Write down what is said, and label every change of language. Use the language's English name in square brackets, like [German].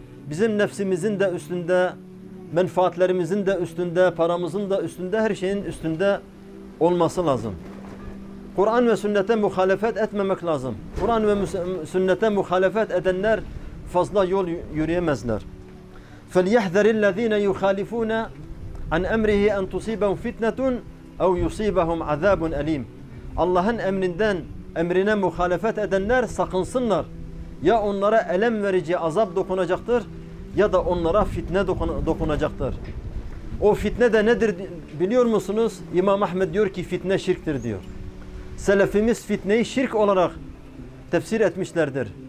[Turkish] Bizim nefsimizin de üstünde, menfaatlerimizin de üstünde, paramızın da üstünde, her şeyin üstünde olması lazım. Kur'an ve sünnete muhalefet etmemek lazım. Kur'an ve sünnete muhalefet edenler fazla yol yürüyemezler. [Arabic] فَلْيَحْذَرِ الَّذ۪ينَ يُخَالِفُونَ عَنْ اَمْرِهِ اَنْ تُصِيبَهُمْ فِتْنَةٌ اَوْ يُصِيبَهُمْ عَذَابٌ أَل۪يمٌ [Turkish] Allah'ın emrine muhalefet edenler sakınsınlar. Ya onlara elem verici azap dokunacaktır ya da onlara fitne dokunacaktır. O fitne de nedir biliyor musunuz? İmam Ahmed diyor ki fitne şirktir diyor. selefimiz fitneyi şirk olarak tefsir etmişlerdir.